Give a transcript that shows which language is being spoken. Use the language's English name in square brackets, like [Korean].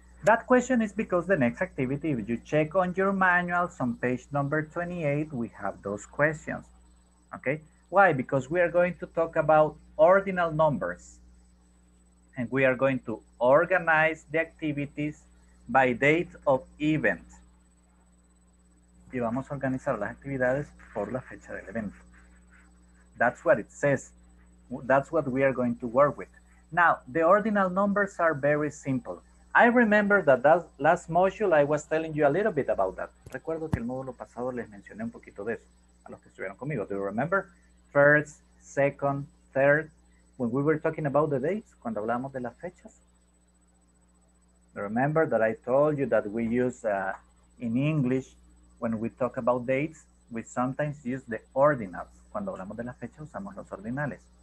[English] That question is because the next activity, if you check on your manuals on page number 28, we have those questions. Okay. Why? Because we are going to talk about ordinal numbers. And we are going to organize the activities by date of event. [Spanish] Y vamos a organizar las actividades por la fecha del evento. [English] That's what it says. That's what we are going to work with. Now, the ordinal numbers are very simple. I remember that, that last module, I was telling you a little bit about that. [Spanish] Recuerdo que el módulo pasado les mencioné un poquito de eso a los que estuvieron conmigo. [English] Do you remember? First, second, third. When we were talking about the dates, [Spanish] cuando hablamos de las fechas. [English] Remember that I told you that we use in English, when we talk about dates, we sometimes use the ordinals. [Spanish] Cuando hablamos de la fecha, usamos los ordinales.